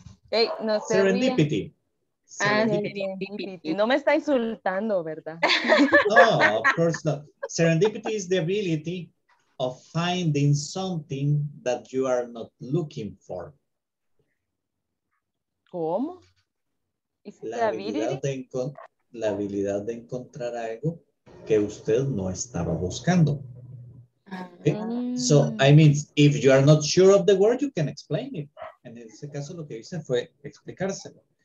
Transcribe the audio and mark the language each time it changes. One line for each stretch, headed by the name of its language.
Spanish: Hey, no sé.
English: Serendipity.
Spanish: Serendipity. No me está insultando, ¿verdad?
English: No, of course not. Serendipity is the ability of finding something that you are not looking for.
Spanish: ¿Cómo? La habilidad de encontrar algo que usted no estaba buscando. Okay.
English: So, I mean, if you are not sure of the word, you can explain it.
Spanish: En ese caso, lo que hice fue explicárselo.